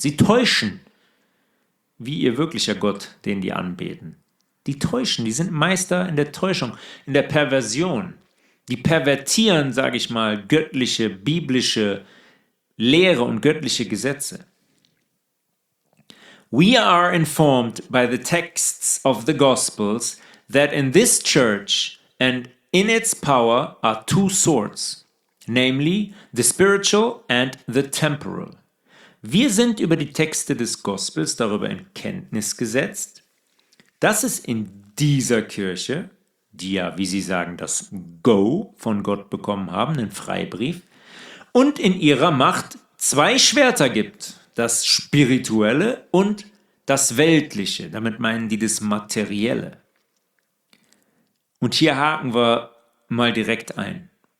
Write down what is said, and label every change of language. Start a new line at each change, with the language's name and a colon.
German: Sie täuschen, wie ihr wirklicher Gott, den die anbeten. Die täuschen, die sind Meister in der Täuschung, in der Perversion. Die pervertieren, sage ich mal, göttliche, biblische Lehre und göttliche Gesetze.
English: We are informed by the texts of the Gospels that in this church and in its power are two sorts, namely the spiritual and the temporal.
German: Wir sind über die Texte des Gospels darüber in Kenntnis gesetzt, dass es in dieser Kirche, die ja, wie sie sagen, das Go von Gott bekommen haben, einen Freibrief, und in ihrer Macht zwei Schwerter gibt, das Spirituelle und das Weltliche, damit meinen die das Materielle. Und hier haken wir mal direkt ein.